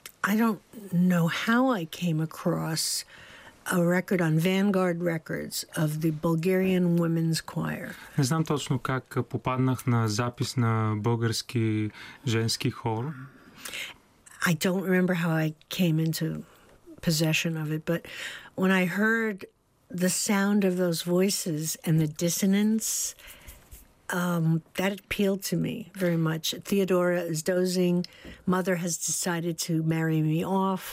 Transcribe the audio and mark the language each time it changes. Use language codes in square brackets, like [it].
[en] I don't know how I came across a record on Vanguard Records of the Bulgarian Women's Choir. [bg] Не знам точно как попаднах на запис на български женски хор. [en] I don't remember how I came into possession of it, but when I heard the sound of those voices and the dissonance, that appealed to me very much. Theodora is dozing. Mother has decided to marry me off.